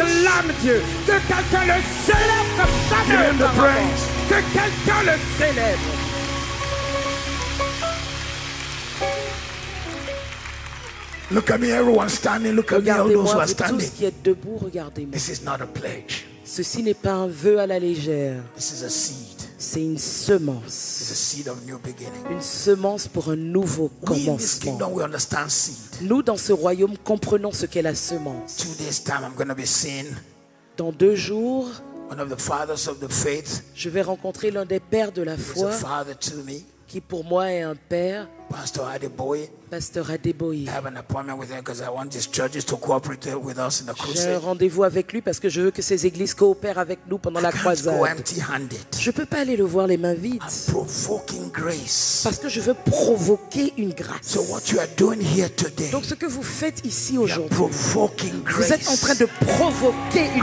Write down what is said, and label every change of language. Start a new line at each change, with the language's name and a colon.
French: Acclame Dieu. Que quelqu'un le célèbre comme ça.
English: Give him the praise.
French: Que quelqu'un le célèbre.
English: Look at me, everyone standing. Look at me, all those who are standing.
French: Tous qui êtes debout, regardez-moi.
English: This is not a pledge.
French: Ceci n'est pas un vœu à la légère.
English: This is a seed.
French: C'est une semence.
English: It's a seed of new beginning.
French: Une semence pour un nouveau commencement.
English: We in this kingdom, we understand seed.
French: Nous, dans ce royaume, comprenons ce qu'est la semence.
English: Two days time, I'm going to be seen.
French: Dans deux jours.
English: One of the fathers of the faith.
French: Je vais rencontrer l'un des pères de la foi.
English: He's a father to me.
French: Qui pour moi est un père.
English: Pastor Adeboye. Pastor Adeboye. I have an appointment with him because I want these churches to cooperate with us in the crusade.
French: J'ai un rendez-vous avec lui parce que je veux que ces églises coopèrent avec nous pendant
English: I
French: la croisade.
English: Go empty-handed.
French: Je peux pas aller le voir les mains vides.
English: I'm provoking grace.
French: Parce que je veux provoquer une grâce.
English: So what you are doing here today?
French: Donc ce que vous faites ici aujourd'hui.
English: You're provoking grace.
French: Vous êtes en train de provoquer une